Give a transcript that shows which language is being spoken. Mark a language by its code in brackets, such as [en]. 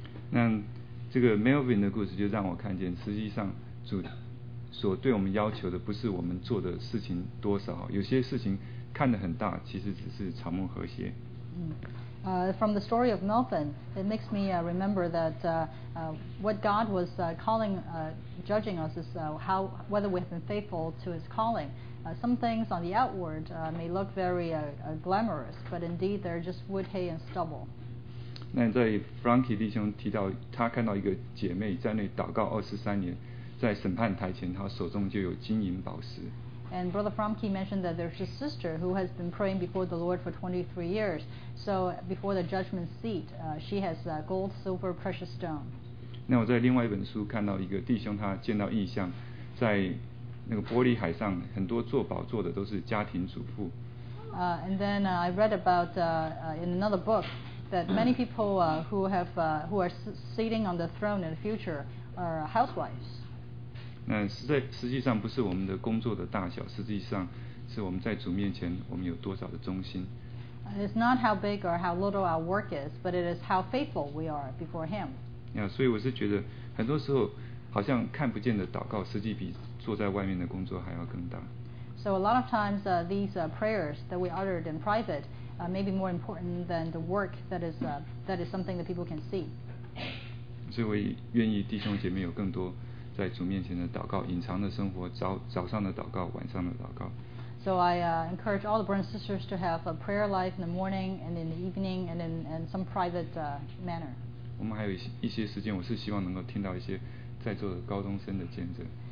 [zh] 那这个 Melvin 的故事就让我看见，实际上主所对我们要求的不是我们做的事情多少，有些事情看得很大，其实只是草木和谐。 [en] From the story of Melvin, it makes me remember that what God was calling, judging us is whether we have been faithful to His calling. Some things on the outward may look very glamorous, but indeed they're just wood, hay, and stubble. [zh] 那在 Frankie 弟兄提到他看到一个姐妹在那里祷告二十三年，在审判台前他手中就有金银宝石。 [en] And Brother Franke mentioned that there's a sister who has been praying before the Lord for 23 years. So before the judgment seat, she has gold, silver, precious stone. [zh] 那我在另外一本书看到一个弟兄他见到异象，在那个玻璃海上很多做宝座的都是家庭主妇。 [en] And then I read about in another book. That many people who are sitting on the throne in the future are housewives. [zh] 那实际上不是我们的工作的大小，实际上是我们在主面前我们有多少的忠心。 [en] It's not how big or how little our work is, but it is how faithful we are before Him. [zh] 所以我是觉得很多时候好像看不见的祷告，实际比坐在外面的工作还要更大。 [en] So a lot of times these prayers that we uttered in private. Maybe more important than the work that is something that people can see. [zh] 所以我愿意弟兄姐妹有更多在主面前的祷告，隐藏的生活，早上的祷告，晚上的祷告。 [en] So so I encourage all the brothers and sisters to have a prayer life in the morning and in the evening and in some private manner. [zh] 我们还有一些时间，我是希望能够听到一些在座的高中生的见证。